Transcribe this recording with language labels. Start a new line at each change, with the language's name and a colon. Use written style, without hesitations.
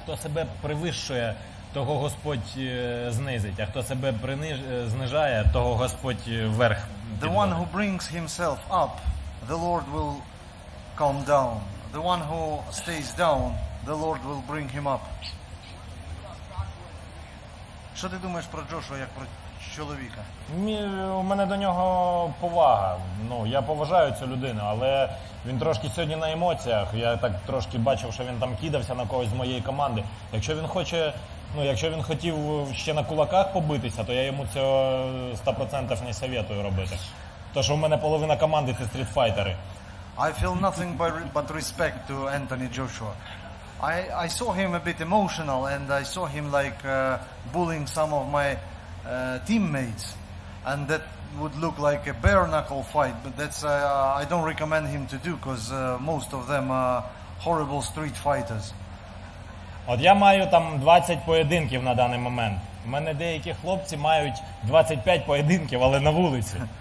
Ukrainian: Хто себе превищує, того Господь знизить. А хто себе знижає, того Господь вверх.
English: The one who brings himself up, the Lord will calm down. The one who stays down, the Lord will bring him up.
Ukrainian: Що ти думаєш про Джошуа як про чоловіка? У мене до нього повага. Ну, я поважаю цю людину, але він трошки сьогодні на емоціях. Я так трошки бачив, що він там кидався на когось з моєї команди. Якщо він хоче, ну, якщо він хотів ще на кулаках побитися, то я йому цього 100% не советую робити. То що у мене половина команди це стрітфайтери.
English: I feel nothing but respect to Anthony Joshua. I saw him a bit emotional and I saw him like bullying some of my teammates, and that would look like a bare knuckle fight, but that's I don't recommend him to do, because most of them are horrible street fighters.
Ukrainian: От я маю там 20 поєдинків на даний момент. У мене деякі хлопці мають 25 поєдинків, але на вулиці.